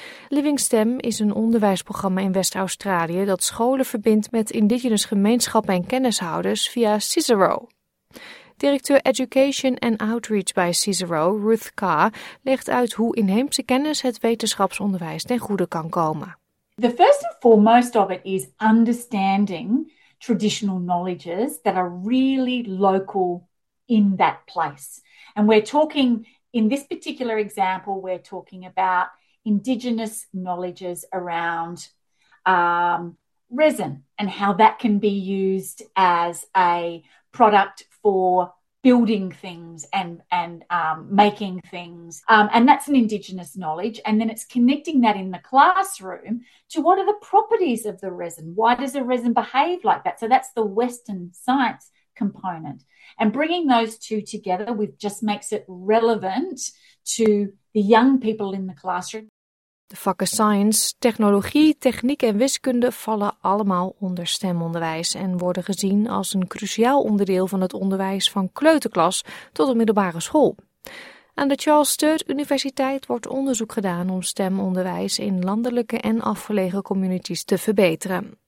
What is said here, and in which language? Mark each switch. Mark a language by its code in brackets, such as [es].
[nl] Living STEM is een onderwijsprogramma in West-Australië dat scholen verbindt met Indigenous gemeenschappen en kennishouders via CICERO. Directeur Education and Outreach bij CICERO, Ruth Carr, legt uit hoe inheemse kennis het wetenschapsonderwijs ten goede kan komen. [en] The first and foremost of it is understanding traditional knowledges that are really local in that place. And we're talking, in this particular example, we're talking about indigenous knowledges around resin and how that can be used as a product for building things and making things. And that's an indigenous knowledge. And then it's connecting that in the classroom to what are the properties of the resin? Why does a resin behave like that? So that's the Western science component. And bringing those two together with just makes it relevant to the young people in the classroom. [nl] De vakken science, technologie, techniek en wiskunde vallen allemaal onder STEM-onderwijs en worden gezien als een cruciaal onderdeel van het onderwijs van kleuterklas tot de middelbare school. Aan de Charles Sturt Universiteit wordt onderzoek gedaan om STEM-onderwijs in landelijke en afgelegen communities te verbeteren.